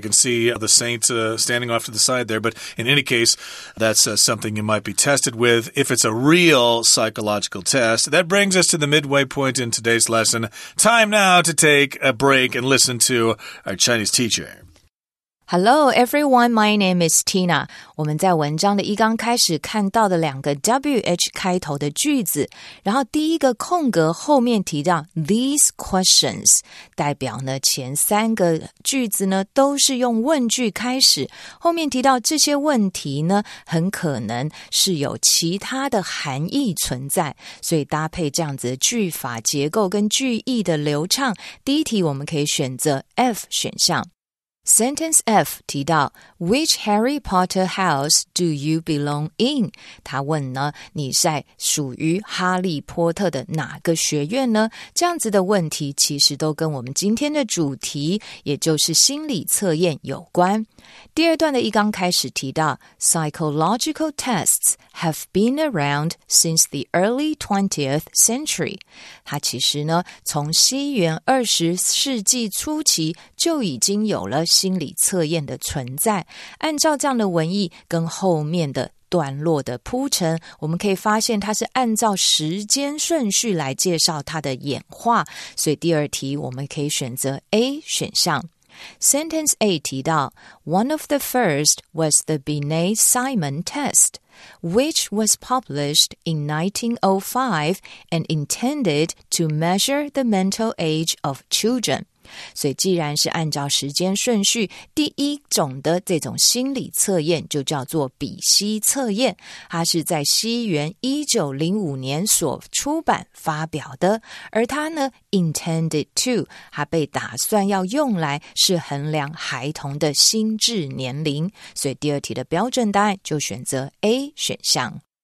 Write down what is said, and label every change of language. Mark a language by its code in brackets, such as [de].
[en] I can see the saint standing off to the side there. But in any case, that's something you might be tested with if it's a real psychological test. That brings us to the midway point in today's lesson. Time now to take a break and listen to our Chinese teacher. Hello, everyone. My name is Tina. [zh] 我们在文章的一刚开始看到的两个 WH 开头的句子，然后第一个空格后面提到 [en] these questions， [zh] 代表呢前三个句子呢都是用问句开始，后面提到这些问题呢很可能是有其他的含义存在，所以搭配这样子的句法结构跟句意的流畅，第一题我们可以选择 F 选项。 [en] Sentence F [zh] 提到 [en] Which Harry Potter house do you belong in? [zh] 他问呢你在属于哈利波特的哪个学院呢？这样子的问题其实都跟我们今天的主题也就是心理测验有关。第二段的一刚开始提到 [en] Psychological tests have been around since the early 20th century. [zh] 他其实呢从西元二十世纪初期就已经有了心理测验的存在，按照这样的文意跟后面的段落的铺陈，我们可以发现它是按照时间顺序来介绍它的演化，所以第二题我们可以选择 A 选项。 [en] Sentence A [zh] 提到 [en] One of the first was the Binet-Simon test, which was published in 1905 and intended to measure the mental age of children. [zh] 所以既然是按照时间顺序，第一种的这种心理测验就叫做比希测验，它是在西元1905年所出版发表的，而它呢 [en] intended to, [zh] 它被打算要用来是衡量孩童的心智年龄，所以第二题的标准答案就选择 A 选项。